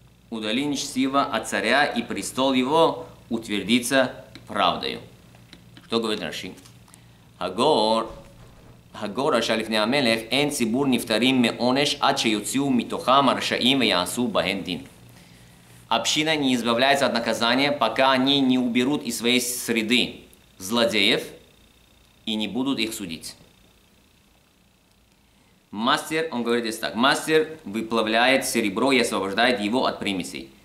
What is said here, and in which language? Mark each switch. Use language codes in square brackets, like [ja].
[ru] Удалин чтиво от царя и престол его утвердится правдою. Что говорит Раши? [he] הגון רשע לפני המלך אין ציבור נפטרים מעונש עד שיוציאו מתוכם הרשעים ויעשו בהם דין. [ru] Община не избавляется от наказания, пока они не уберут из своей среды злодеев и не будут их судить. Мастер, он говорит здесь так, мастер выплавляет серебро и освобождает его от примесей.